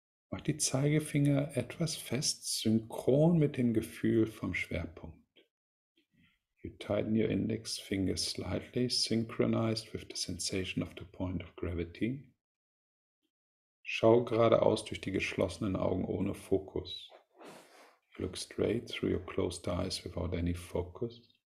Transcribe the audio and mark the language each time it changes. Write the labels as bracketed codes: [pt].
[de] Mach die Zeigefinger etwas fest, synchron mit dem Gefühl vom Schwerpunkt. [en] You tighten your index finger slightly, synchronized with the sensation of the point of gravity. [de] Schau geradeaus durch die geschlossenen Augen ohne Fokus. [en] Look straight through your closed eyes without any focus.